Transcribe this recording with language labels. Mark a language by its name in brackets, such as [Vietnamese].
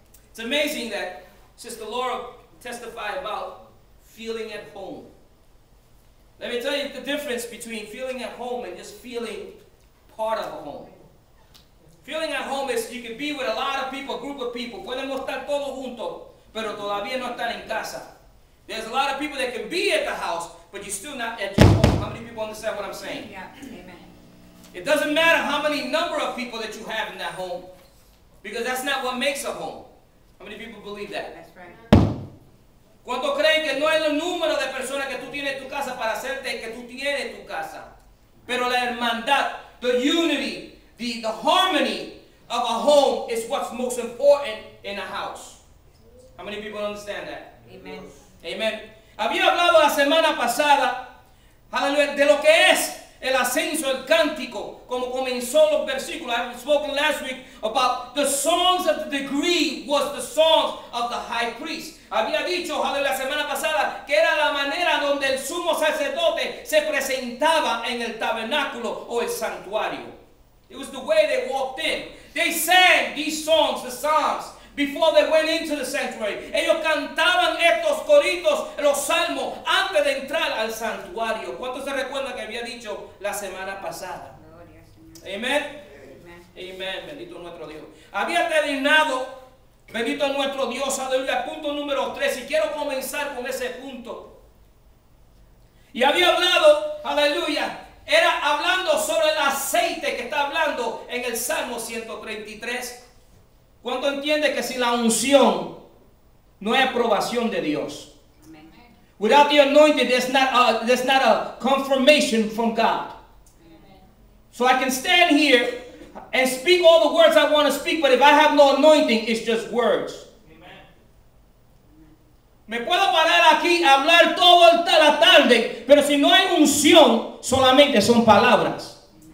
[English] It's amazing that Sister Laura testified about feeling at home. Let me tell you the difference between feeling at home and just feeling part of a home. Feeling at home is you can be with a lot of people, a group of people. [Spanish] Podemos estar todos juntos, pero todavía no están en casa. [English] There's a lot of people that can be at the house, but you're still not at your home. How many people understand what I'm saying? Yeah, amen. It doesn't matter how many number of people that you have in that home, because that's not what makes a home. How many people believe that? That's right. [Spanish] ¿Cuánto creen que no es el número de personas que tú tienes en tu casa para hacerte que tú tienes tu casa? Pero la hermandad, [English] the unity, The harmony of a home is what's most important in a house. How many people understand that? Amen. Amen. [Spanish] Había hablado la semana pasada, hallelujah, de lo que es el ascenso, el cántico, como comenzó los versículos. [English] I've spoken last week about the songs of the degree was the songs of the high priest. [Spanish] Había dicho, hallelujah, la semana pasada, que era la manera donde el sumo sacerdote se presentaba en el tabernáculo o el santuario. [English] It was the way they walked in. They sang these songs, the psalms, before they went into the sanctuary. [Spanish] Ellos cantaban estos coritos, los salmos, antes de entrar al santuario. ¿Cuántos se recuerdan que había dicho la semana pasada? Gloria, Señor. Amen. Amen. Amen. Bendito nuestro Dios. Había terminado, bendito nuestro Dios, aleluya, punto número 3. Y quiero comenzar con ese punto. Y había hablado, aleluya, era hablando sobre el aceite que está hablando en el Salmo 133. ¿Cuánto entiende que sin la unción no es aprobación de Dios? Amen. [English] Without the anointing, there's not a confirmation from God. Amen. So I can stand here and speak all the words I want to speak, but if I have no anointing, it's just words. [Spanish] Me puedo parar aquí a hablar todo la tarde, pero si no hay unción, solamente son palabras.